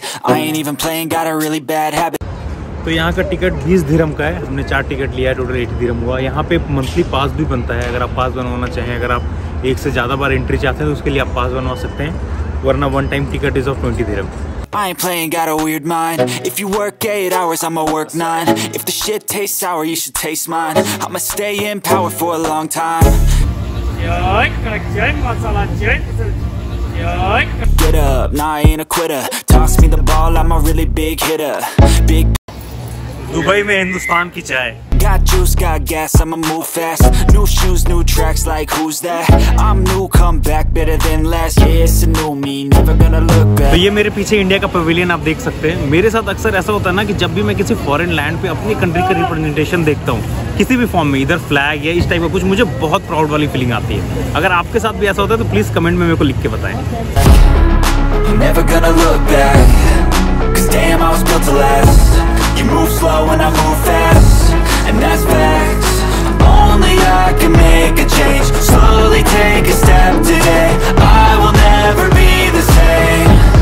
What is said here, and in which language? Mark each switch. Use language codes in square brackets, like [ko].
[hi] तो यहाँ का टिकट 20 धीरम का है, हमने 4 टिकट लिया, टोटल 8 धीरम हुआ। यहाँ पे मंथली पास भी बनता है, अगर आप पास बनवाना चाहें, अगर आप एक से ज्यादा बार एंट्री चाहते हैं तो उसके लिए आप पास बनवा सकते हैं, वरना [en] One time ticket is of 20 धीरम। I ain't playing, got a weird mind. If you work 8 hours, I'ma work 9. If the shit tastes sour, you should taste mine. I'ma stay in power for a long time. Get up, nah, I ain't a quitter. Toss me the ball, I'm a really big hitter. Big [hi] Dubai mein Hindustan ki chai. [en] Got juice, got gas, I'ma move fast. New shoes, new tracks, like who's that? I'm new, come back, better than last. Yeah, it's a new me, never gonna look back. [hi] तो ये मेरे पीछे India का pavilion आप देख सकते हैं। मेरे साथ अक्सर ऐसा होता है ना कि जब भी मैं किसी फॉरेन लैंड पे अपनी कंट्री का रिप्रेजेंटेशन देखता हूँ किसी भी फॉर्म में, इधर फ्लैग या इस टाइप का कुछ, मुझे बहुत प्राउड वाली फीलिंग आती है। अगर आपके साथ भी ऐसा होता है तो प्लीज कमेंट में मेरे को लिख के बताएं। [en] Never gonna look back. Cause damn, I was built to last. You move slow and I move fast. And that's facts. Only I can make a change. Slowly take a step today. I will never be the same.